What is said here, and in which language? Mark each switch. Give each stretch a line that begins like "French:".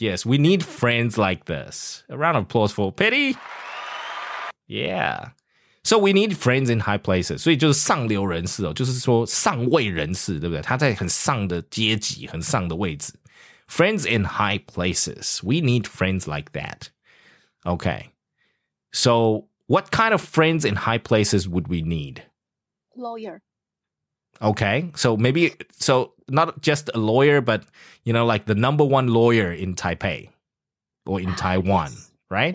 English: Yes, we need friends like this. A round of applause for Pity. Yeah, so we need friends in high places.
Chinese: 所以就是上流人士哦，就是说上位人士，对不对？他在很上的阶级，很上的位置。
English: Friends in high places. We need friends like that. Okay. So, what kind of friends in high places would we need? Lawyer. Okay. So, maybe, so not just a lawyer, but, you know, like the number one lawyer in Taipei or in Taiwan, right?